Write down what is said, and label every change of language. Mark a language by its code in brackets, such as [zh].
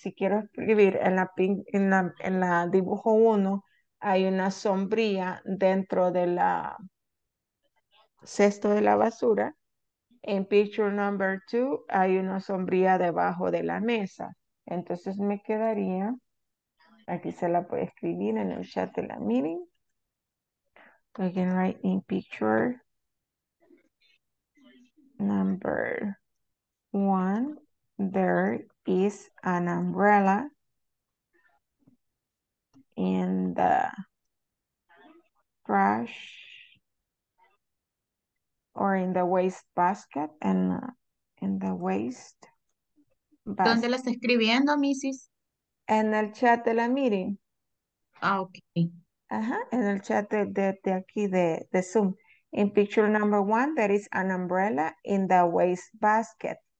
[es] Si quiero escribir en la dibujo uno, hay una sombrilla dentro de la cesto de la basura. En [en] picture number two, [es] hay una sombrilla debajo de la mesa. Entonces me quedaría, aquí se la puede escribir en el chat de la meeting. [en] I can write in picture number one, there is an umbrella in the trash or in the waste basket and in the waste [es] basket. ¿Dónde lo está escribiendo, Mrs.? En el chat de la meeting. Ah, ok. Ajá, en el chat de aquí de Zoom. [en] In picture number one, there is an umbrella in the waste basket.